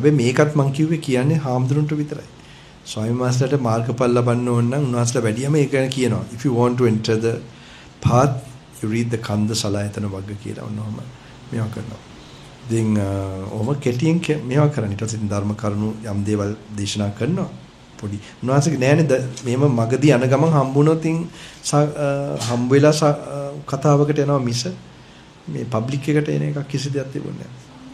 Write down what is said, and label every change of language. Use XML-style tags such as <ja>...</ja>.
<si>හැබැයි මේකත් මම කිව්වේ කියන්නේ හාමුදුරන්ට විතරයි. ස්වාමීන් වහන්සේලාට මාර්ගඵල ලබන්න ඕන නම් උන්වහන්සේලා වැඩියම ඒක කියනවා.</si> <en>If you want to enter the path you read the kanda salayatana wagga</en> <si>කියලා ඔන්නෝම මේවා කරනවා. ඉතින් ඔහොම කෙටියෙන් මේවා කරන්නේ. ඊට පස්සේ ධර්ම කරුණු යම් දේවල් දේශනා කරනවා. පොඩි උන්වහන්සේ නෑනේ මේම මගදී යන ගමන් හම්බුනොත් හම්බ වෙලා කතාවකට යනවා මිස මේ පබ්ලික් එකට එන එකක් කිසි දෙයක් තිබුණේ නෑ.</si>